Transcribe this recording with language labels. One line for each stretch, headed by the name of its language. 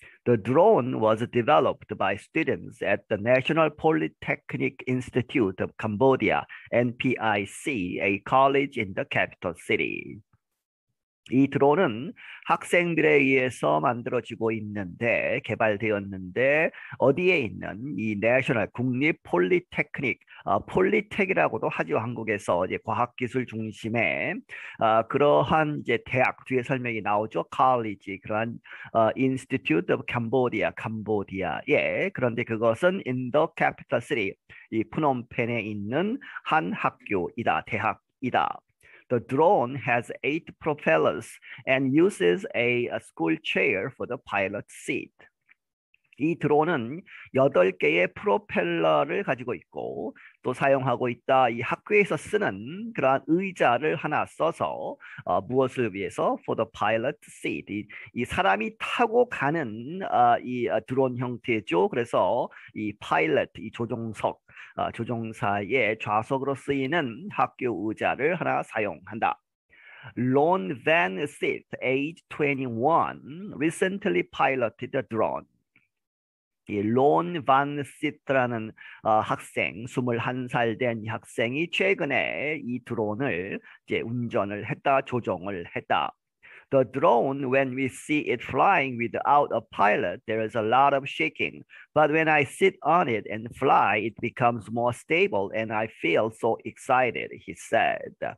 English: The drone was developed by students at the National Polytechnic Institute of Cambodia, NPIC, a college in the capital city.
Korean: 이 드론은 학생들에 의해서 만들어지고 있는데, 개발되었는데, 어디에 있는 이 내셔널 국립 폴리테크닉, 폴리텍이라고도 하죠. 한국에서 이제 과학기술 중심의 그러한 이제 대학, 뒤에 설명이 나오죠. 칼리지, 그러한 인스티튜트 오브 캄보디아, 캄보디아에. 그런데 그것은 인더 캐피탈 시티, 이 프놈펜에 있는 한 학교이다, 대학이다.
English: The drone has 8 propellers and uses a school chair for the pilot seat.
Korean: 이 드론은 8개의 프로펠러를 가지고 있고 또 사용하고 있다. 이 학교에서 쓰는 그러한 의자를 하나 써서 무엇을 위해서?
English: For the pilot seat.
Korean: 이 사람이 타고 가는 이 드론 형태죠. 그래서 이 파일럿, 이 조종석, 조종사의 좌석으로 쓰이는 학교 의자를 하나 사용한다.
English: Lone Van Sith, age 21, recently piloted a drone.
Korean: 이 론 반 시트라는 학생, 21살 된이 학생이 최근에 이 드론을 이제 운전을 했다, 조종을 했다.
English: The drone, when we see it flying without a pilot, there is a lot of shaking. But when I sit on it and fly, it becomes more stable and I feel so excited, he said.